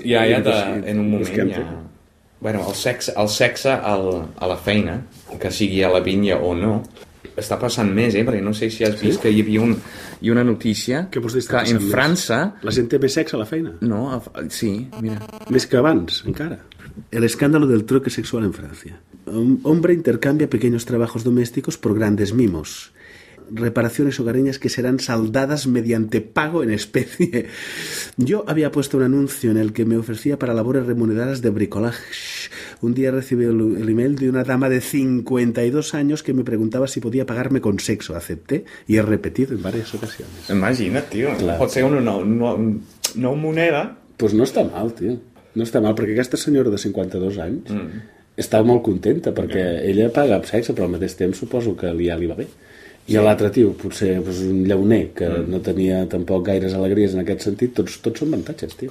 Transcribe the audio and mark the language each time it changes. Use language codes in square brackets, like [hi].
[ca] Ja, ja, en un moment, ja. Bueno, el sexe a la feina, que sigui a la vinya o no, està passant més, perquè no sé si has vist, sí, que hi havia una notícia que en França... La gent té més sexe a la feina? No, sí, mira. Més que abans, encara. [es] El escándalo del troque sexual en Francia. Un hombre intercambia pequeños trabajos domésticos por grandes mimos. Reparaciones hogareñas que serán saldadas mediante pago en especie. Yo había puesto un anuncio en el que me ofrecía para labores remuneradas de bricolaje. Un día recibí el email de una dama de 52 años que me preguntaba si podía pagarme con sexo. Acepté y he repetido en varias ocasiones. [ca] Imagina't, tío. Claro. Pot ser una moneda. [es] Pues no está mal, tío. [ca] No està mal, perquè aquesta senyora de 52 anys està molt contenta, perquè ella paga amb sexe, però al mateix temps suposo que ja li va bé. I sí, l'altre tio, potser pues, un llauner, que no tenia tampoc gaires alegries en aquest sentit, tots són avantatges, tio.